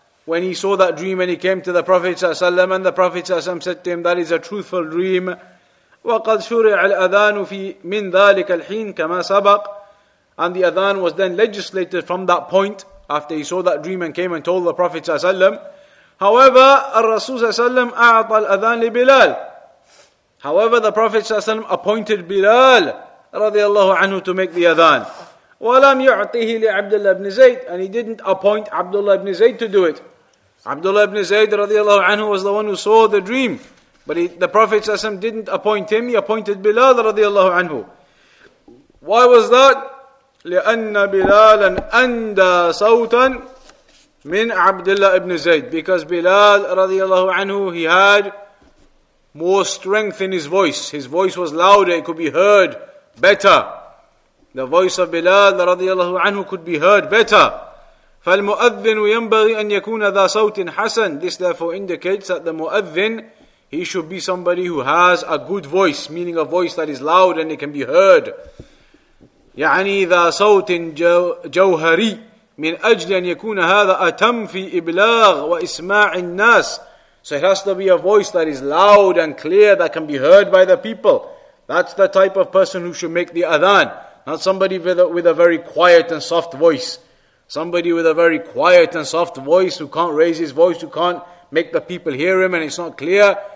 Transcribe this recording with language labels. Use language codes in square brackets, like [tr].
[en] When he saw that dream and he came to the Prophet ﷺ, and the Prophet ﷺ said to him, that is a truthful dream. [ar] وَقَدْ شُرِعَ الْأَذَانُ فِي مِنْ ذَلِكَ الْحِينَ كَمَا سَبَقَ. [en] And the adhan was then legislated from that point, after he saw that dream and came and told the Prophet ﷺ. [ar] However, الرسول ﷺ أَعْطَى الْأَذَانَ لِبِلَالٍ. [en] However, the Prophet ﷺ appointed Bilal رضي الله عنه to make the adhan. [ar] وَلَمْ يُعْطِهِ لِعَبْدُ اللَّهِ بْنِ زَيْدٍ. [en] And he didn't appoint Abdullah ibn Zayd to do it. Abdullah ibn Zayd رضي الله عنه was the one who saw the dream. But the Prophet ﷺ didn't appoint him, he appointed Bilal رضي الله عنه. Why was that? [ar] لِأَنَّ بِلَالًا أَنْدَى صَوْتًا مِنْ عَبْدِ اللَّهِ ابْنِ زَيْدٍ. [en] Because Bilal رضي الله عنه, he had more strength in his voice. His voice was louder, it could be heard better. The voice of Bilal رضي الله عنه could be heard better. [ar] فَالْمُؤَذِّنُ يَنْبَغِي أَنْ يَكُونَ ذَا صَوْتٍ حَسَنٍ. [en] This therefore indicates that the muadhin, he should be somebody who has a good voice, meaning a voice that is loud and it can be heard. [ar] يعني ذا صوت جوهري من أجل أن يكون هذا أتم في إبلاغ وإسماع الناس. [en] So it has to be a voice that is loud and clear that can be heard by the people. That's the type of person who should make the adhan. Not somebody with a very quiet and soft voice. Somebody with a very quiet and soft voice who can't raise his voice, who can't make the people hear him and it's not clear.